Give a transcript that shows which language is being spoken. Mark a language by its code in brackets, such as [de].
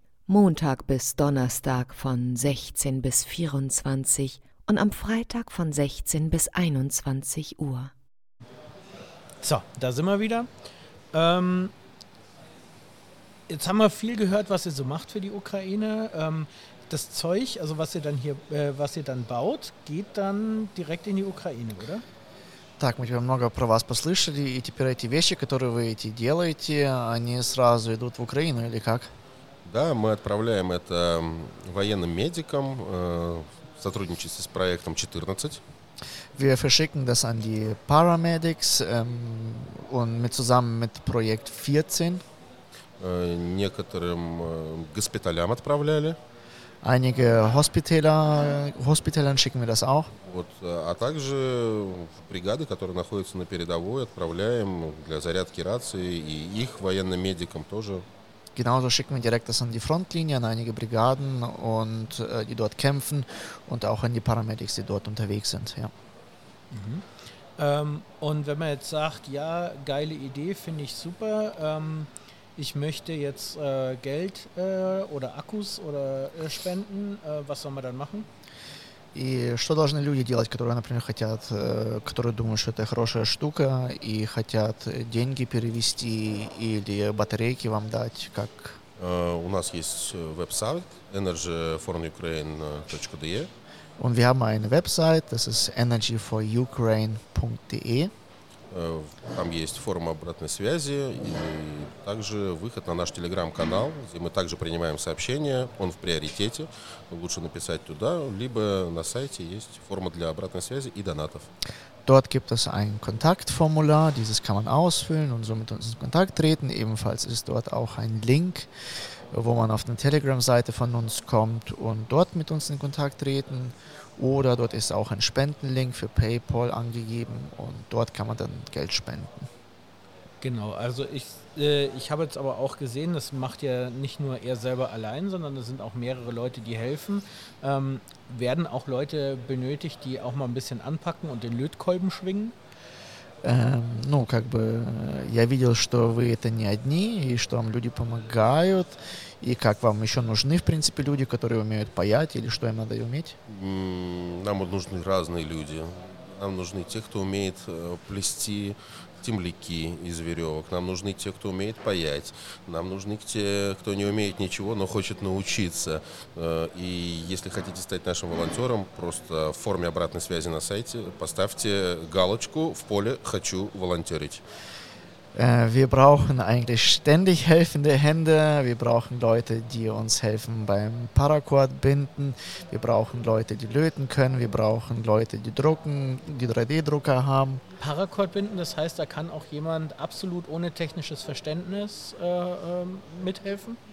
[de] Montag bis Donnerstag von 16 bis 24 und am Freitag von 16 bis 21 Uhr. So, da sind wir wieder. Jetzt haben wir viel gehört, was ihr so macht für die Ukraine. Das Zeug, also was ihr dann hier, was ihr dann baut, geht dann direkt in die Ukraine, oder? [uk] Так, ми тебе много про вас послышали, і тепер ці речі, які ви ці робите, вони одразу йдуть в Україну, чи як? Да, ми відправляємо це воєнним медикам в співпраці з проєктом 14. [de] Wir verschicken das an die Paramedics und mit zusammen mit Projekt 14. [ru] Некоторым госпиталям отправляли. [de] Einige Hospitälern schicken wir das auch. [uk] Вот, а також бригади, які знаходяться [ru] на передовой, [uk] відправляємо для зарядки рації і їх воєнним медикам теж. [de] Genauso schicken wir direkt das an die Frontlinie, an einige Brigaden, und die dort kämpfen, und auch an die Paramedics, die dort unterwegs sind. Ja. Mhm. Und wenn man jetzt sagt, ja, geile Idee, finde ich super, ich möchte jetzt Geld oder Akkus oder spenden, was soll man dann machen? [ru] И что должны люди делать, которые, например, хотят, которые думают, что это хорошая штука и хотят деньги перевести или батарейки вам дать, как? У нас есть веб-сайт energyforukraine.de. [de] Und wir haben einen Website, das ist energyforukraine.de. [ru] Там есть форма обратной связи и также выход на наш телеграм-канал, где мы также принимаем сообщения, он в приоритете, лучше написать туда, либо на сайте есть форма для обратной связи и донатов. [de] Dort gibt es ein Kontaktformular, dieses kann man ausfüllen und somit uns in Kontakt treten. Ebenfalls ist dort auch ein Link, wo man auf eine Telegram-Seite von uns kommt und dort mit uns in Kontakt treten. Oder dort ist auch ein Spendenlink für PayPal angegeben und dort kann man dann Geld spenden. Genau, also ich habe jetzt aber auch gesehen, das macht ja nicht nur er selber allein, sondern es sind auch mehrere Leute, die helfen. Werden auch Leute benötigt, die auch mal ein bisschen anpacken und den Lötkolben schwingen? [ru] Ну, как бы, я видел, что вы это не одни, и что вам люди помогают, и как вам еще нужны, в принципе, люди, которые умеют паять, или что им надо уметь? Нам нужны разные люди. Нам нужны те, кто умеет плести темляки из веревок, нам нужны те, кто умеет паять, нам нужны те, кто не умеет ничего, но хочет научиться. И если хотите стать нашим волонтером, просто в форме обратной связи на сайте поставьте галочку в поле «Хочу волонтерить». [de] Wir brauchen eigentlich ständig helfende Hände, wir brauchen Leute, die uns helfen beim Paracord binden, wir brauchen Leute, die löten können, wir brauchen Leute, die drucken, die 3D-Drucker haben. Paracord binden, das heißt, da kann auch jemand absolut ohne technisches Verständnis mithelfen?